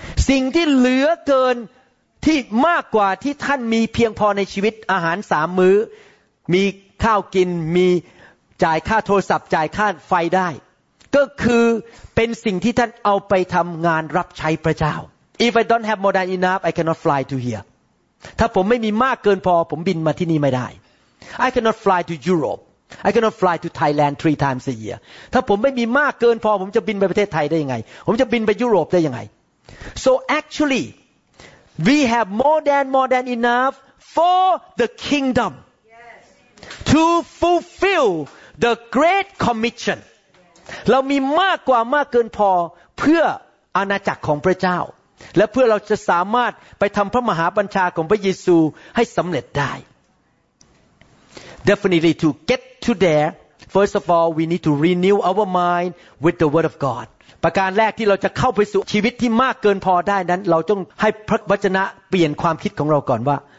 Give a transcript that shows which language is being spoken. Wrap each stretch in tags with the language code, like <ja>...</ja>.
<th>สิ่งที่เหลือเกินที่มากกว่าที่ท่านมีเพียงพอในชีวิตอาหาร3 มื้อมีข้าวกินมีจ่ายค่าโทรศัพท์จ่ายค่าไฟได้ก็คือเป็นสิ่งที่ท่านเอาไปทำงานรับใช้พระเจ้า</th> <en>If I don't have more than enough, I cannot fly to here.</en> <th>ถ้าผมไม่มีมากเกินพอผมบินมาที่นี่ไม่ได้</th> <en>I cannot fly to Europe. I cannot fly to Thailand 3 times a year.</en> <th>ถ้าผมไม่มีมากเกินพอผมจะบินไปประเทศไทยได้ยังไงผมจะบินไปยุโรปได้ยังไง</th> <en>So actually, We have more than enough for the kingdom. Yes. To fulfill the great commission.</en> <th>เรามีมากกว่ามากเกินพอเพื่ออาณาจักรของพระเจ้าและเพื่อเราจะสามารถไปทำพระมหาบัญชาของพระเยซูให้สำเร็จได้</th> <en>Definitely to get to there first of all we need to renew our mind with the word of God</en> <th>ประการแรกที่เราจะเข้าไปสู่ชีวิตที่มากเกินพอได้นั้นเราต้องให้พระวจนะเปลี่ยนความคิดของเราก่อนว่า</th>